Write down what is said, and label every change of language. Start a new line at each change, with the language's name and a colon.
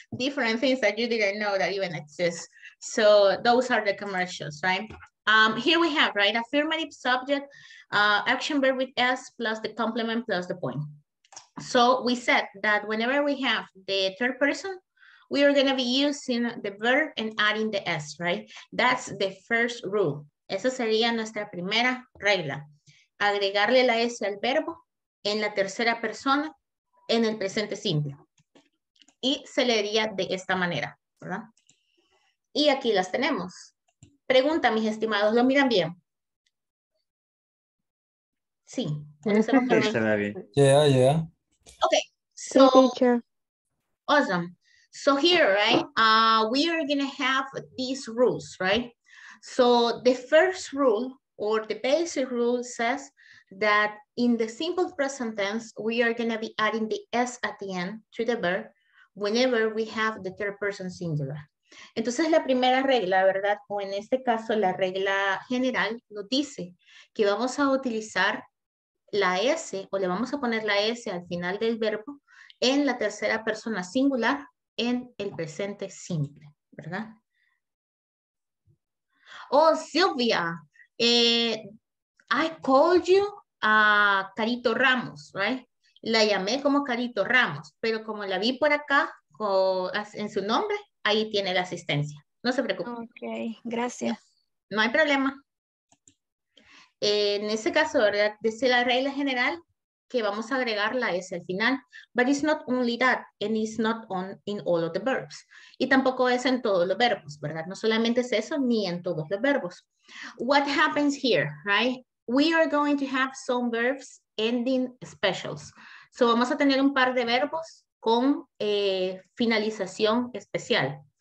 English: Different things that you didn't know that even exist. So those are the commercials, right? Here we have, right? Affirmative subject, action verb with S plus the complement plus the point. So we said that whenever we have the third person, we are going to be using the verb and adding the S, right? That's the first rule.
Spanish: Esa sería nuestra primera regla. Agregarle la S al verbo en la tercera persona, en el presente simple. Y se leería de esta manera, ¿verdad? Y aquí las tenemos. Pregunta, mis estimados, ¿lo miran bien?
English: Sí. Ok, so, awesome. So here, right, we are going to have these rules, right? So the first rule, or the basic rule says that in the simple present tense, we are going to be adding the S at the end to the verb whenever we have the third person singular.
Spanish: Entonces, la primera regla, ¿verdad? O en este caso, la regla general nos dice que vamos a utilizar la S o le vamos a poner la S al final del verbo en la tercera persona singular en el presente simple, ¿verdad?
English: Oh, Silvia, I called you Carito Ramos, right?
Spanish: La llamé como Carito Ramos, pero como la vi por acá en su nombre, ahí tiene la asistencia. No se preocupe. Ok, gracias. No hay problema. En ese caso, ¿verdad? Dice la regla general que vamos a agregar la S al final.
English: But it's not only that, and it's not on in all of the verbs.
Spanish: Y tampoco es en todos los verbos, ¿verdad? No solamente es eso, ni en todos los verbos.
English: What happens here, right? We are going to have some verbs ending specials.
Spanish: So vamos a tener un par de verbos con finalización especial.